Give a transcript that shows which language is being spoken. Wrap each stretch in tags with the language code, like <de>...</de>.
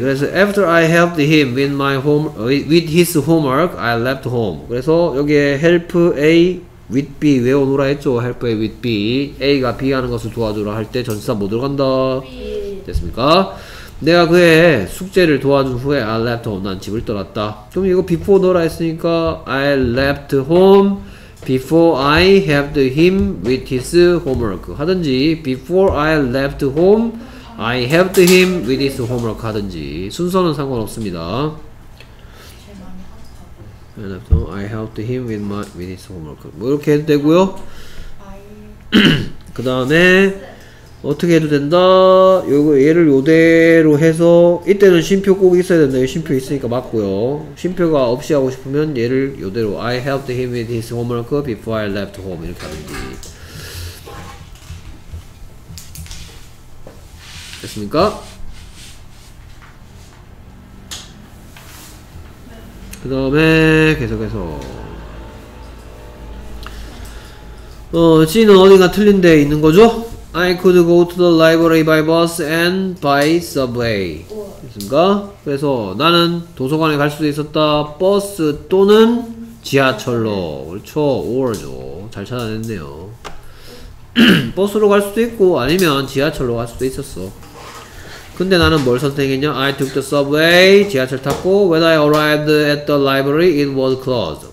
<ko>그래서</ko> <en>after I helped him with my home with his homework, I left home.</en> <ko>그래서 여기에 help A with B 외워놓으라 했죠.</ko> <en>help A with B.</en> <ko>A가 B 하는 것을 도와주라 할 때 전치사 못 들어간다. 됐습니까? 내가 그의 숙제를 도와준 후에</ko> <en>I left home.</en> <ko>난 집을 떠났다. 그럼 이거</ko> <en>before</en> <ko>넣으라 했으니까</ko> <en>I left home before I helped him with his homework</en> <ko>하든지</ko> <en>before I left home I helped him with his homework</en> <ko>하든지 순서는 상관없습니다.</ko> <en>And after I helped him with my with his homework</en> <ko>뭐 이렇게 해도 되고요. 그 다음에 어떻게 해도 된다. 요거 얘를 요대로 해서 이때는 쉼표 꼭 있어야 된다. 쉼표 있으니까 맞고요. 쉼표가 없이 하고 싶으면 얘를 요대로</ko> <en>I helped him with his homework before I left home</en> <ko>이렇게 하든지. 됐습니까? 네. 그 다음에 계속해서 C는 어디가 틀린 데 있는 거죠?</ko> <en>I could go to the library by bus and by subway.</en> <ko>됐습니까? 그래서 나는 도서관에 갈 수도 있었다. 버스 또는 지하철로. 그렇죠. or죠. 잘 찾아냈네요. 버스로 갈 수도 있고 아니면 지하철로 갈 수도 있었어. 근데 나는 뭘 선택했냐?</ko> <en>I took the subway,</en> <ko>지하철 탔고</ko> <en>When I arrived at the library, it was closed.</en>